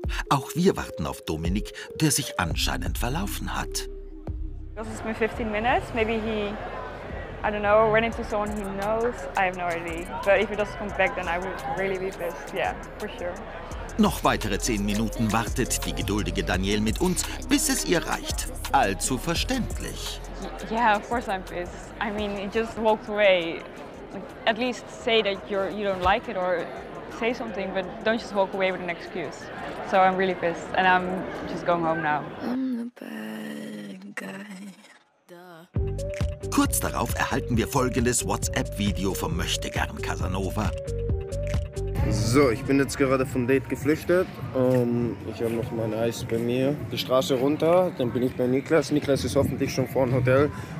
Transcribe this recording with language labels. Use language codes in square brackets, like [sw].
[de] Auch wir warten auf Dominik, der sich anscheinend verlaufen hat. [en] Because it's been 15 minutes. Maybe he, I don't know, ran into someone he knows. I have no idea. But if he doesn't come back, then I would really be pissed. Yeah, for sure. [de] Noch weitere 10 Minuten wartet die geduldige Danielle mit uns, bis es ihr reicht. Allzu verständlich. [en] Yeah, of course I'm pissed. I mean, you just walked away. At least say that you don't like it or say something, but don't just walk away with an excuse. So I'm really pissed and I'm just going home now. I'm the bad guy. Duh. [de] Kurz darauf erhalten wir folgendes WhatsApp-Video vom Möchtegern Casanova. So, ich bin jetzt gerade vom Date geflüchtet. Ich habe noch mein Eis bei mir. Die Straße runter, dann bin ich bei Niklas. Niklas ist hoffentlich schon vor dem Hotel.